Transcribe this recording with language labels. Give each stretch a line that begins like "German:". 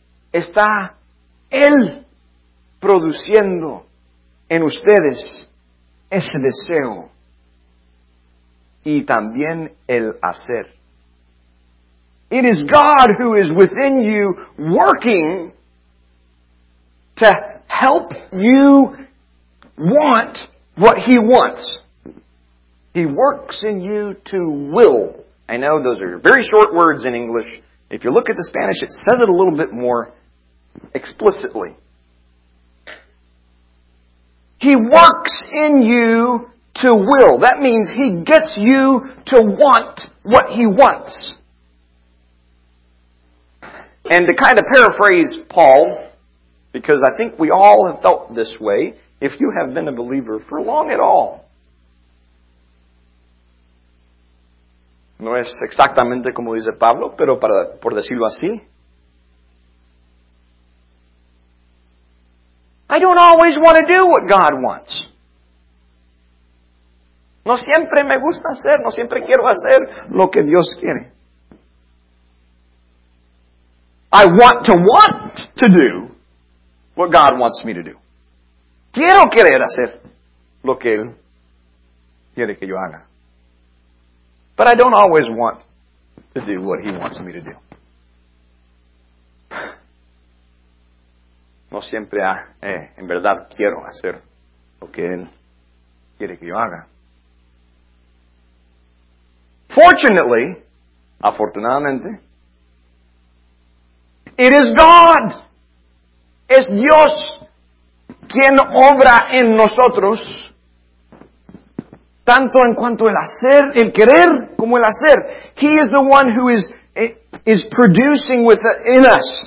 Spanish: Está Él produciendo en ustedes ese deseo y también el hacer.
English: It is God who is within you working to help you want what He wants. He works in you to will. I know those are very short words in English. If you look at the Spanish, it says it a little bit more explicitly. He works in you to will. That means He gets you to want what He wants. And to kind of paraphrase Paul, because I think we all have felt this way, if you have been a believer for long at all,
Spanish: no es exactamente como dice Pablo, pero por decirlo así.
English: I don't always want to do what God wants.
Spanish: No siempre me gusta hacer, no siempre quiero hacer lo que Dios quiere.
English: I want to do what God wants me to do.
Spanish: Quiero querer hacer lo que Él quiere que yo haga.
English: But I don't always want to do what He wants me to do.
Spanish: No siempre, en verdad, quiero hacer lo que Él quiere que yo haga.
English: Fortunately,
Spanish: afortunadamente,
English: it is God.
Spanish: Es Dios quien obra en nosotros Tanto en cuanto el hacer, el querer, como el hacer.
English: He is the one who is producing within us.